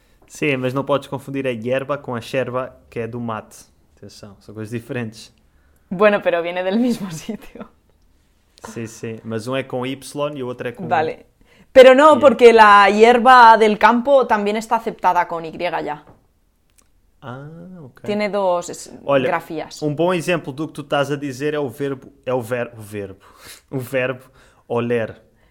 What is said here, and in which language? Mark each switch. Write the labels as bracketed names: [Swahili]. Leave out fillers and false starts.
[Portuguese] Sim, mas não podes confundir a hierba com a xerba, que é do mate. Atenção, são coisas diferentes. [Spanish] Bueno, pero viene del mismo sitio. [Portuguese] Sim, mas um é com Y e o outro é com... [Spanish] Vale. Pero não, porque la hierba del campo também está aceptada com Y já. Ah, ok. Tiene dos grafias. [Portuguese] Um bom exemplo do que tu estás a dizer é o verbo... É o verbo... O verbo oler.